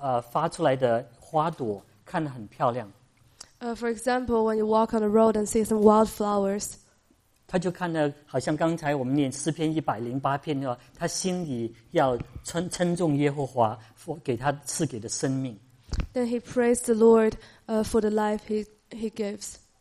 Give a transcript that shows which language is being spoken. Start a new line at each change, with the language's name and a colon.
Chinese: 发出来的花朵看得很漂亮。
English: For example, when you walk on the road and see some wildflowers,
Chinese: 他就看得好像刚才我们念诗篇108篇的话，他心里要称颂耶和华给他赐给的生命。
English: Then he praised the Lord for the life he gives.